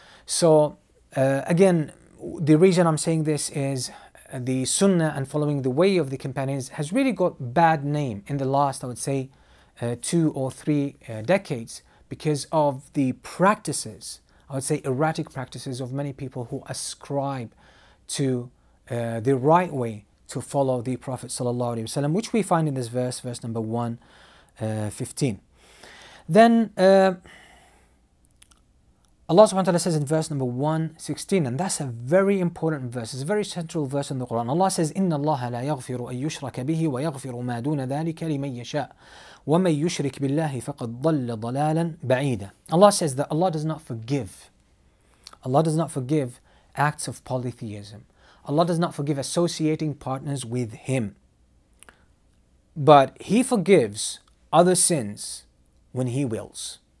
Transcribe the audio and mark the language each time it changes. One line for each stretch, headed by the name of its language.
English: So again, the reason I'm saying this is the Sunnah and following the way of the companions has really got bad name in the last, I would say, two or three decades because of the practices, I would say erratic practices of many people who ascribe to the right way to follow the Prophet Sallallahu Alaihi Wasallam, which we find in this verse, verse number 115. Then Allah subhanahu wa ta'ala says in verse number 116, and that's a very important verse, it's a very central verse in the Quran. Allah says,
Arabic: إِنَّ اللَّهَ لَا يَغْفِرُ أَن يُشْرَكَ بِهِ وَيَغْفِرُ مَا دُونَ ذَلِكَ لِمَن يَشَاءُ وَمَن يُشْرِكْ بِاللَّهِ فَقَدْ ضَلَّ ضَلَالًا بَعِيدًا.
English: Allah says that Allah does not forgive. Allah does not forgive acts of polytheism. Allah does not forgive associating partners with Him. But He forgives other sins when He wills.